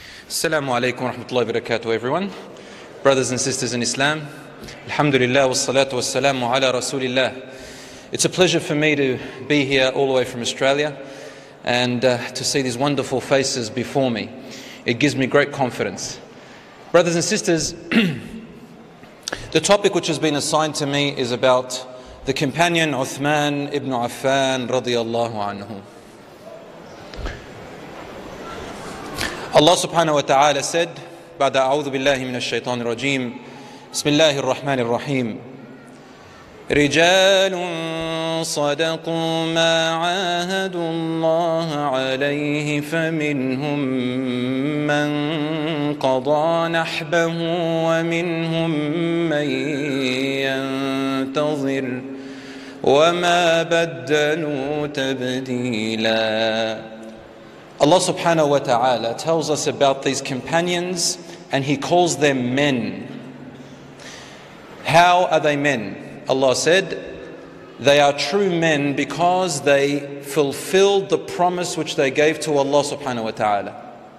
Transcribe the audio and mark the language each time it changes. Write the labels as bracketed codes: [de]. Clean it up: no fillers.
[ar] السلام عليكم ورحمة الله وبركاته everyone. [en] Brothers and sisters in Islam. [ar] الحمد لله والصلاة والسلام على رسول الله. [en] It's a pleasure for me to be here all the way from Australia and to see these wonderful faces before me. It gives me great confidence. Brothers and sisters, the topic which has been assigned to me is about the companion Uthman ibn Affan [ar] رضي الله عنه. [en] Allah subhanahu wa ta'ala said, [ar] بعد أعوذ بالله من الشيطان الرجيم بسم الله الرحمن الرحيم رجال صدقوا ما عاهدوا الله عليه فمنهم من قضى نحبه ومنهم من ينتظر وما بدلوا تبديلا. [en] Allah subhanahu wa ta'ala tells us about these companions and he calls them men. How are they men? Allah said, they are true men because they fulfilled the promise which they gave to Allah subhanahu wa ta'ala.